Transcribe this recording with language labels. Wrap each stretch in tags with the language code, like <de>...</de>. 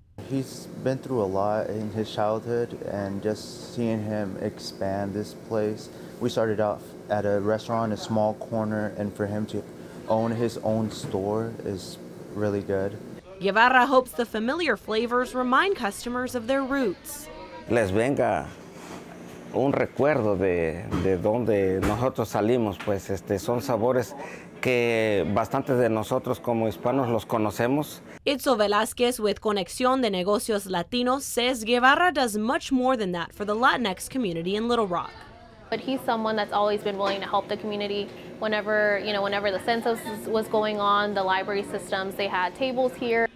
<en>He's been through a lot in his childhood, and just seeing him expand this place. We started off at a restaurant, a small corner, and for him to own his own store is really good. Guevara hopes the familiar flavors remind customers of their roots.</en> <es>Les venga un recuerdo de donde nosotros salimos, pues son sabores que bastantes de nosotros como hispanos los conocemos.</es> <en>Itzel Velasquez with Conexión de Negocios Latinos says Guevara does much more than that for the Latinx community in Little Rock. But he's someone that's always been willing to help the community. Whenever, you know, whenever the census was going on, the library systems, they had tables here.</en>